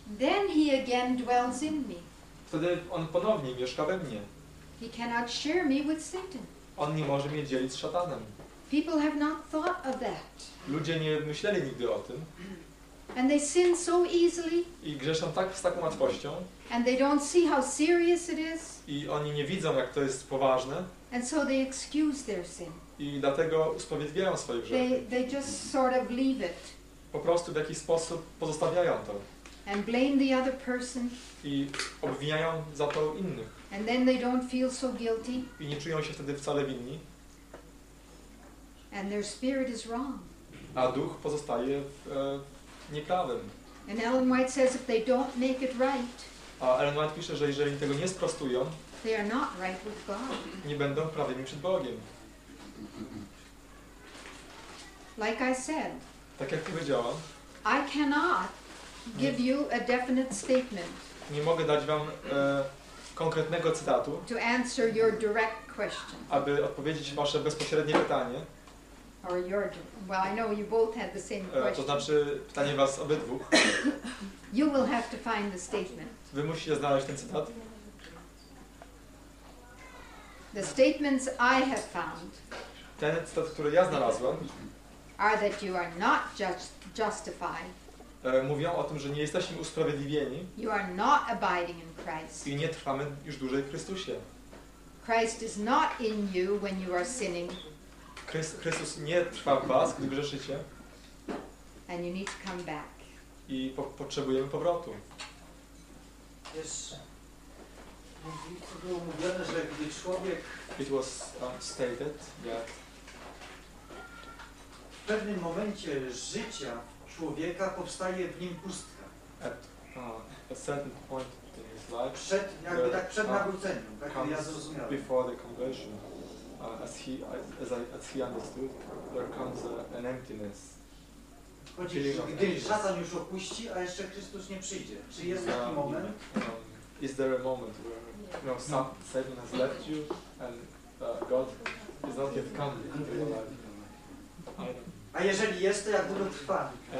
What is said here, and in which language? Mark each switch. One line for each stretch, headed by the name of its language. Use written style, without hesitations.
English: Then he again dwells in me.
Polish: Wtedy on ponownie mieszka we mnie.
English: He cannot share me with Satan.
Polish: On nie może mnie dzielić z szatanem.
English: People have not thought of that.
Polish: Ludzie nie myśleli nigdy o tym.
English: And they sin so easily.
Polish: I grzeszą tak z taką łatwością.
English: And they don't see how serious it is.
Polish: I oni nie widzą, jak to jest poważne.
English: And so they excuse their sin.
Polish: I dlatego usprawiedliwiają swoje grzechy.
English: They just sort of leave it.
Polish: Po prostu w jakiś sposób pozostawiają to.
English: And blame the other person.
Polish: I obwiniają za to innych.
English: And then they don't feel so guilty.
Polish: I nie czują się wtedy wcale winni.
English: And their spirit is wrong.
Polish: A duch pozostaje w nieprawym.
English: And Ellen White says if they don't make it right.
Polish: A Ellen White pisze, że jeżeli tego nie sprostują,
English: they are not right with God.
Polish: Nie będą prawymi przed Bogiem.
English: Like I said.
Polish: Tak jak powiedziałam.
English: I cannot give you a definite statement.
Polish: Nie mogę dać wam konkretnego cytatu.
English: To answer your direct question.
Polish: Aby odpowiedzieć wasze bezpośrednie pytanie.
English: Or your, well, I know you both had the same question.
Polish: To znaczy pytanie was obydwu.
English: You will have to find the statement.
Polish: Wy musicie znaleźć ten cytat.
English: The statements I have found.
Polish: Ten cytat, który ja znalazłem.
English: Are that you are not justified.
Polish: Mówią o tym, że nie jesteśmy usprawiedliwieni.
English: You are not abiding in Christ.
Polish: I nie trwamy już dłużej w Chrystusie.
English: Christ is not in you when you are sinning.
Polish: Chrystus nie trwa w was, gdy grzeszycie.
English: And you need to come back.
Polish: I potrzebujemy powrotu. To było mówione, że gdy człowiek...
English: It was stated that...
Polish: W pewnym momencie życia człowieka powstaje w nim pustka.
English: At a certain point in his life...
Polish: Przed nawróceniem, tak jak ja zrozumiałem.
English: Before the conversion. As he understood, there comes an emptiness.
Polish: Chodzi, gdy szatan już opuści, a jeszcze Chrystus nie przyjdzie. Czy jest taki moment?
English: Is there a moment where Satan has left you and God is not yet come in your life?
Polish: A jeżeli jest, to jak długo trwa?